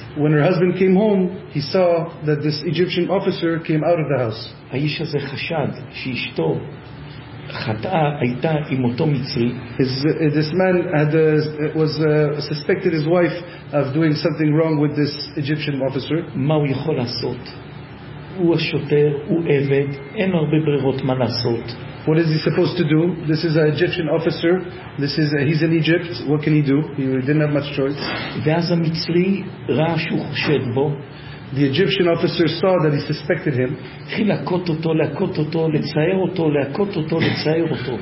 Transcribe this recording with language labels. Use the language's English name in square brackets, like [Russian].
[English] When her husband came home, he saw that this Egyptian officer came out of the house. [Hebrew] האיש הזה חשד שאשתו חטאה, הייתה עם אותו מצרי. [English] This man suspected his wife of doing something wrong with this Egyptian officer. [Hebrew] מה הוא יכול לעשות? הוא השוטר, הוא עבד, אין הרבה ברירות מה לעשות. [English] What is he supposed to do? This is an Egyptian officer. He's in Egypt. What can he do? He didn't have much choice. [Hebrew] ואז המצרי ראה שהוא חושד בו. [English] The Egyptian officer saw that he suspected him. [Hebrew] התחיל להכות אותו, להכות אותו, לצייר אותו, להכות אותו, לצייר אותו.